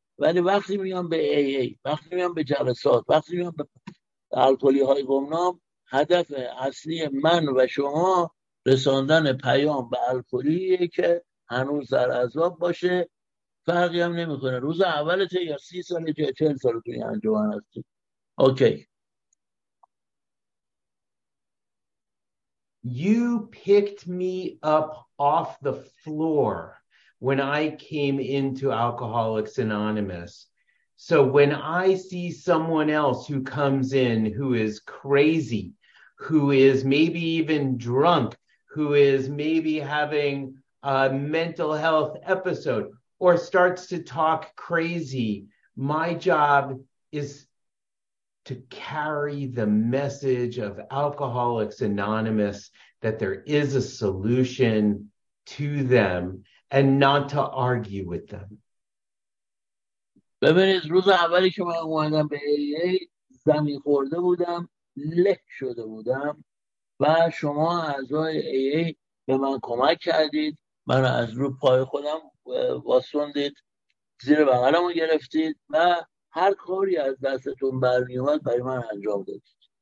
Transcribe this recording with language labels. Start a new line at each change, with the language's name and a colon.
Persian: ولی وقتی میام به AA، وقتی میام به جلسات، وقتی میام به الکلی‌های گمنام، هدف اصلی من و شما رساندن پیام به الکلیه که هنوز در عذاب باشه، فرقی هم نمی کنه روز اولت یا 30 سال یا 40 سال توی انجمن هستی.
English: Okay. You picked me up off the floor when I came into Alcoholics Anonymous. So when I see someone else who comes in who is crazy, who is maybe even drunk, who is maybe having a mental health episode or starts to talk crazy, my job is to carry the message of Alcoholics Anonymous that there is a solution to them and not to argue with them.
Persian: ببینید روز اولی که من اومدم به AA زمین خورده بودم، له شده بودم و شما اعضای AA به من کمک کردید، من از رو پای خودم واسوندید، زیر بغلم رو گرفتید و هر کاری از دستتون برمی اومد برای من انجام دادید.